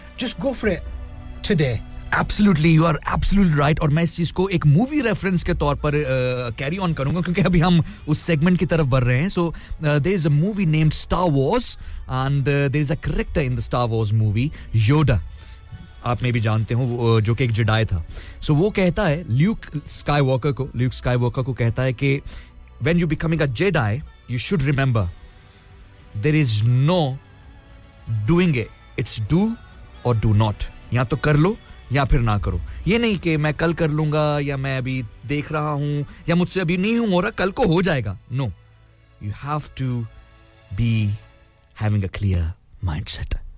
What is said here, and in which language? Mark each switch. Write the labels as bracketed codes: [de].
[en] Just go for it today. Absolutely, you are absolutely right. [hi] और मैं इस चीज को एक movie reference के तौर पर carry on करूँगा क्योंकि अभी हम उस segment की तरफ बढ़ रहे हैं. [en] So there is a movie named Star Wars and there is a character in the Star Wars movie, Yoda. [hi] आप में भी जानते हो जो कि एक Jedi था. [en] So [hi] वो कहता है [en] Luke Skywalker [hi] को कहता है कि [en] when you becoming a Jedi, you should remember there is no doing it. It's do or do not. [hi] या तो कर लो या फिर ना करो. ये नहीं कि मैं कल कर लूंगा या मैं अभी देख रहा हूं या मुझसे अभी नहीं हूं हो रहा, कल को हो जाएगा. [en] No, you have to be having a clear mindset.